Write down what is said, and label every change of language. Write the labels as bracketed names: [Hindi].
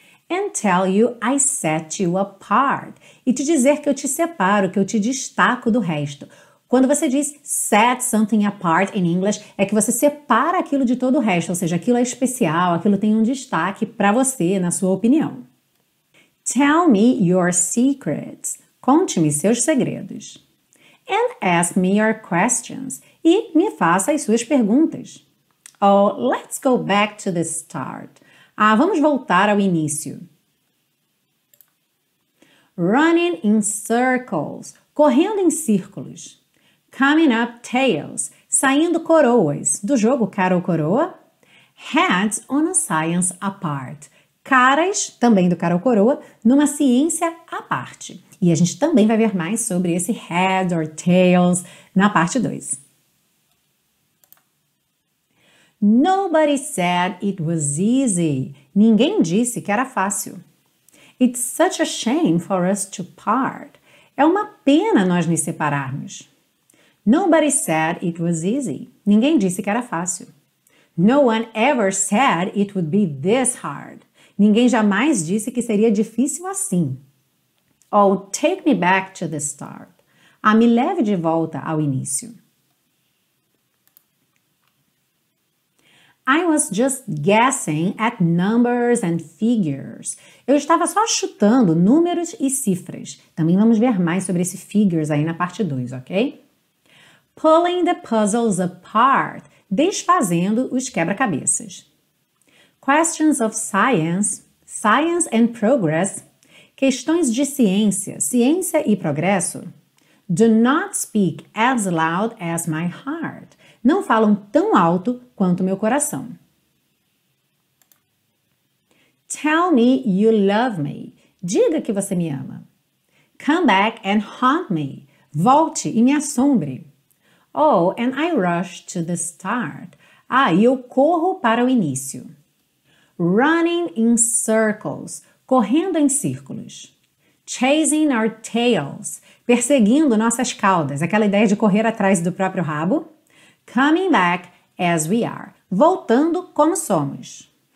[English] And tell you I set you apart, [Portuguese] e te dizer que eu te separo, que eu te destaco do resto. Quando você diz [English] set something apart in English, [Portuguese] é que você separa aquilo de todo o resto, ou seja, aquilo é especial, aquilo tem um destaque para você, na sua opinião. [English] Tell me your secrets, [Portuguese] conte-me seus segredos. [English] And ask me your questions. [Portuguese] E me faça as suas perguntas. [English] Oh, let's go back to the start. [Portuguese] Ah, vamos voltar ao início. [English] Running in circles. [Portuguese] Correndo em círculos. [English] Coming up tails. [Portuguese] Saindo coroas. Do jogo cara ou coroa. [English] Heads on a science apart. [Portuguese] Caras, também do cara ou coroa, numa ciência à parte. E a gente também vai ver mais sobre esse [English] head or tails [Portuguese] na parte 2. [English] Nobody said it was easy. [Portuguese] Ninguém disse que era fácil. [English] It's such a shame for us to part. [Portuguese] É uma pena nós nos separarmos. [English] Nobody said it was easy. [Portuguese] Ninguém disse que era fácil. [English] No one ever said it would be this hard. [Portuguese] Ninguém jamais disse que seria difícil assim. [English] Oh, take me back to the start. [Portuguese] Ah, me leve de volta ao início. [English] I was just guessing at numbers and figures. [Portuguese] Eu estava só chutando números e cifras. Também vamos ver mais sobre esse figures aí na parte 2, ok? [English] Pulling the puzzles apart. [Portuguese] Desfazendo os quebra-cabeças. [English] Questions of science, science and progress, [Portuguese] questões de ciência, ciência e progresso. [English] Do not speak as loud as my heart. [Portuguese] Não falam tão alto quanto meu coração. [English] Tell me you love me. [Portuguese] Diga que você me ama. [English] Come back and haunt me. [Portuguese] Volte e me assombre. [English] Oh, and I rush to the start. [Portuguese] Ah, e eu corro para o início. [English] Running in circles, [Portuguese] correndo em círculos. [English] Chasing our tails, [Portuguese] perseguindo nossas caudas, aquela ideia de correr atrás do próprio rabo. [English] Coming back as we are, [Portuguese] voltando como somos.